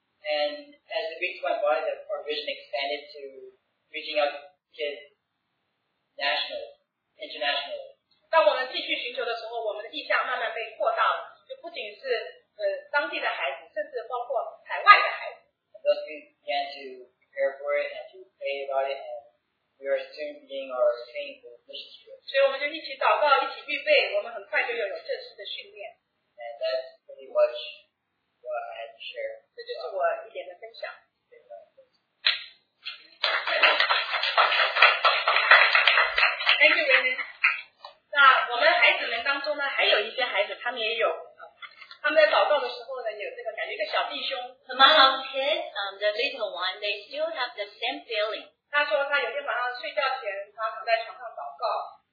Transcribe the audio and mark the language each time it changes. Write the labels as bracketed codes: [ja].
[en] And as the weeks went by, our vision expanded to reaching out to kids nationally, internationally. [zh] 当我们继续寻求的时候，我们的意向慢慢被扩大了，就不仅是当地的孩子，甚至包括海外的孩子。 [en] And thus we began to prepare for it and to pray about it, and we are soon beginning our training for mission trip. [zh] 所以我们就一起祷告，一起预备，我们很快就有正式的训练。 [en] And that's pretty much what I had to share. [zh] 这就是我一点的分享。 [en] Thank you, Raymond. [zh] 那我们孩子们当中呢，还有一些孩子，他们也有，他们在祷告的时候呢，有这个感觉，一个小弟兄。 [en] Among our kids, the little one, they still have the same feeling. [zh] 他说他有天晚上睡觉前，他躺在床上祷告。